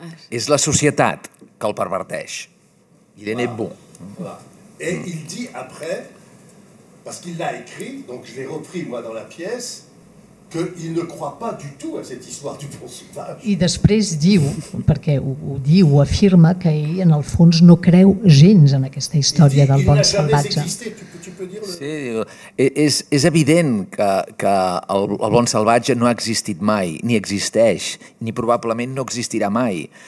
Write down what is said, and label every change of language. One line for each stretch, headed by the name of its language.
Catalan: És la societat que el perverteix.
French: Il est né bon. Et il dit après, parce qu'il l'a écrit, donc je l'ai repris moi dans la pièce, qu'il ne croit pas du tout à cette histoire du bon sauvage.
Catalan: I després diu, perquè ho diu, ho afirma, que ell en el fons no creu gens en aquesta història del bon salvatge. Sí, és evident que el bon salvatge no ha existit mai, ni existeix, ni probablement no existirà mai.